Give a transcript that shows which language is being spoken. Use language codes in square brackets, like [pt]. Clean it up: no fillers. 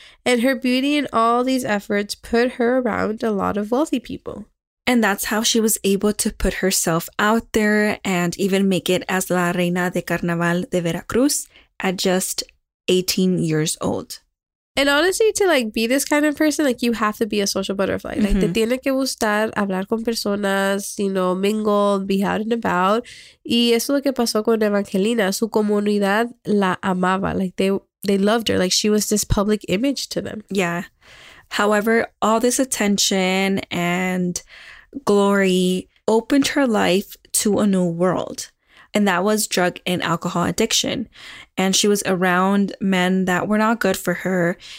[en] And her beauty and all these efforts put her around a lot of wealthy people. And that's how she was able to put herself out there and even make it as La Reina de Carnaval de Veracruz at just 18 years old. And honestly, to like be this kind of person, like you have to be a social butterfly. Mm-hmm. Like, [es] te tiene que gustar hablar con personas, [en] you know, mingle, be out and about. [es] Y eso es lo que pasó con Evangelina. Su comunidad la amaba. [en] Like, they they loved her. Like, she was this public image to them. Yeah. However, all this attention and glory opened her life to a new world. And that was drug and alcohol addiction. And she was around men that were not good for her.